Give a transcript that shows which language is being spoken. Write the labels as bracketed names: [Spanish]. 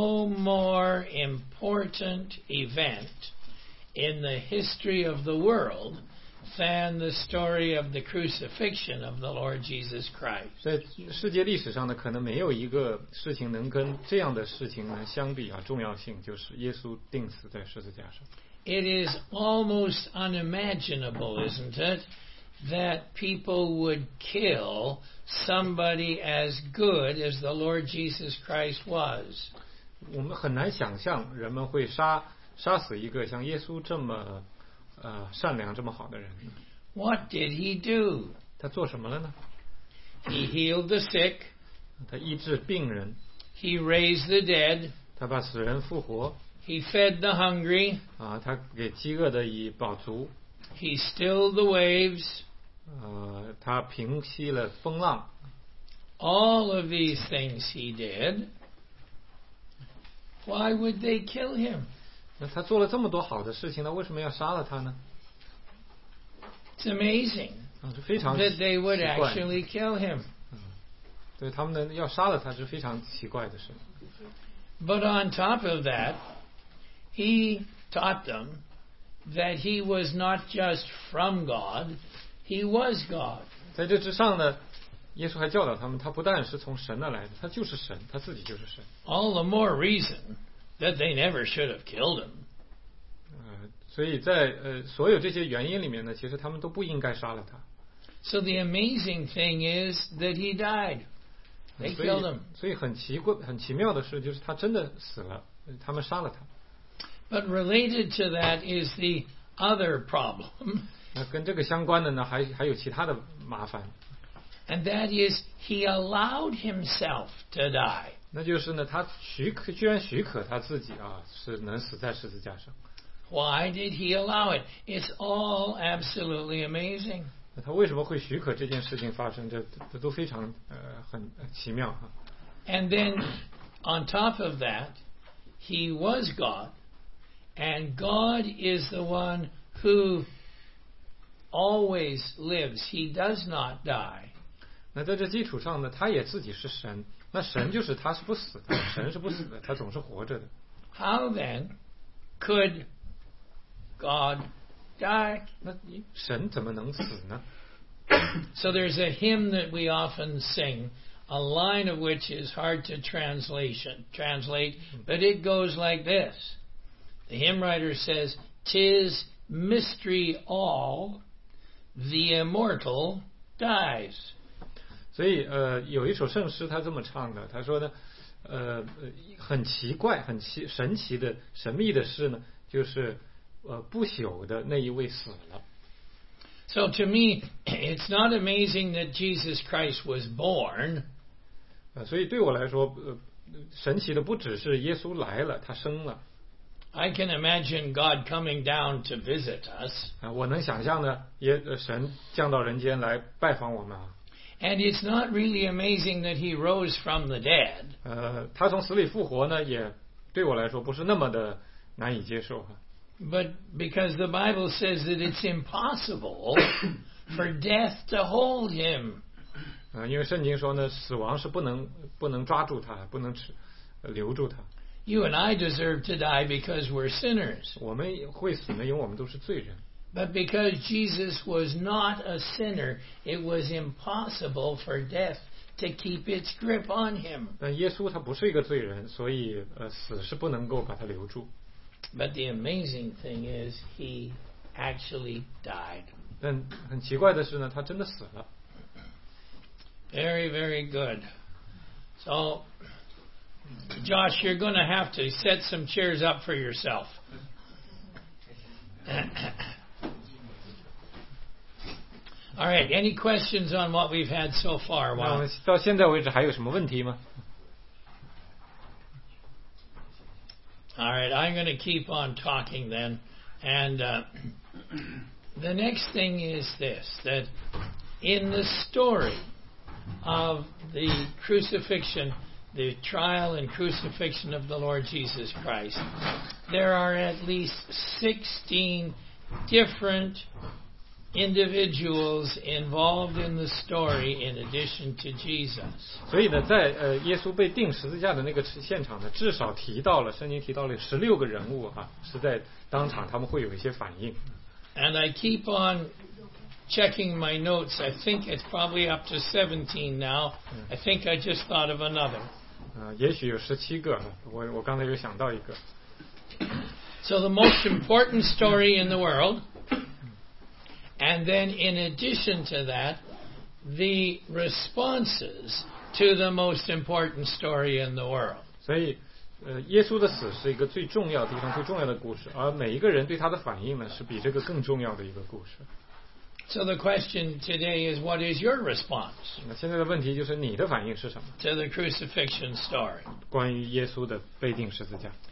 [English] more important event in the history of the world than the story of the crucifixion of the Lord Jesus Christ. [Chinese] 在世界历史上呢，可能没有一个事情能跟这样的事情能相比啊，重要性就是耶稣钉死在十字架上。 [English] It is almost unimaginable, isn't it, that people would kill somebody as good as the Lord Jesus Christ was. [Chinese] 我们很难想象人们会杀死一个像耶稣这么善良这么好的人。 [English] What did he do? [Chinese] 他做什么了呢？ [English] He healed the sick. [Chinese] 他医治病人。 [English] He raised the dead. [Chinese] 他把死人复活。 [English] He fed the hungry. [Chinese] 他给饥饿的以饱足。 [English] He stilled the waves. [Chinese] 他平息了风浪。 [English] All of these things he did. Why would they kill him? [Chinese] 那他做了这么多好的事情，那为什么要杀了他呢？ [English] It's amazing that they would actually kill him. [Chinese] 对，他们呢，要杀了他是非常奇怪的事。 [English] But on top of that, he taught them that he was not just from God, he was God. [Chinese] 在这之上呢，耶稣还教导他们，他不但是从神那来的，他就是神，他自己就是神。 [English] All the more reason. That they never should have killed him. [Chinese] 所以在所有这些原因里面呢，其实他们都不应该杀了他。 [English] So the amazing thing is that he died. They killed him. [Chinese] 所以很奇妙的事就是他真的死了，他们杀了他。 [English] But related to that is the other problem. [Chinese] 那跟这个相关的呢，还有其他的麻烦。 [English] And that is he allowed himself to die. [Chinese] 那就是呢，他居然许可他自己啊，是能死在十字架上。 [English] Why did he allow it? It's all absolutely amazing. [Chinese] 他为什么会许可这件事情发生？这都非常很奇妙啊。 [English] And then, on top of that, he was God, and God is the one who always lives. He does not die. [Chinese] 那在这基础上呢，他也自己是神。那神就是他是不死的，神是不死的，他总是活着的。 [English] How then could God die? [Chinese] 那神怎么能死呢？ [English] So there's a hymn that we often sing, a line of which is hard to translate, but it goes like this. The hymn writer says, 'Tis mystery all, the immortal dies. [Chinese] 所以有一首圣诗他这么唱的，他说呢很奇怪，很神奇的神秘的事呢，就是不朽的那一位死了。 [English] So to me, it's not amazing that Jesus Christ was born. [Chinese] 所以对我来说神奇的不只是耶稣来了，他生了。 [English] I can imagine God coming down to visit us. [Chinese] 我能想象呢，神降到人间来拜访我们啊。 [English] And it's not really amazing that he rose from the dead. [Chinese] 他从死里复活呢，也对我来说不是那么的难以接受。 [English] But because the Bible says that it's impossible for death to hold him. [Chinese] 因为圣经说呢，死亡是不能抓住他，不能留住他。 [English] You and I deserve to die because we're sinners. [Chinese] 我们会死呢，因为我们都是罪人。 [English] But because Jesus was not a sinner, it was impossible for death to keep its grip on him. [Chinese] 但耶稣他不是一个罪人，所以死是不能够把他留住。 [English] But the amazing thing is he actually died. [Chinese] 但很奇怪的是呢，他真的死了。 [English] Very, very good. So, Josh, you're going to have to set some chairs up for yourself. All right, any questions on what we've had so far? [Chinese] 那我们到现在为止还有什么问题吗？ [English] All right, I'm going to keep on talking then. And the next thing is this, that in the story of the crucifixion, the trial and crucifixion of the Lord Jesus Christ, there are at least 16 different individuals involved in the story in addition to Jesus. [Chinese] 所以呢，在耶稣被钉十字架的那个现场呢，至少提到了，圣经提到了16个人物啊，是在当场他们会有一些反应。 [English] And I keep on checking my notes. I think it's probably up to 17 now. I think I just thought of another. [Chinese] 也许有17个，我刚才又想到一个。 [English] So the most important story in the world, and then in addition to that, the responses to the most important story in the world. [Chinese] 所以，耶稣的死是一个最重要的地方，最重要的故事，而每一个人对他的反应呢，是比这个更重要的一个故事。 [English] So the question today is, what is your response? [Chinese] 那现在的问题就是你的反应是什么 [English] ？To the crucifixion story. [Chinese] 关于耶稣的被钉十字架。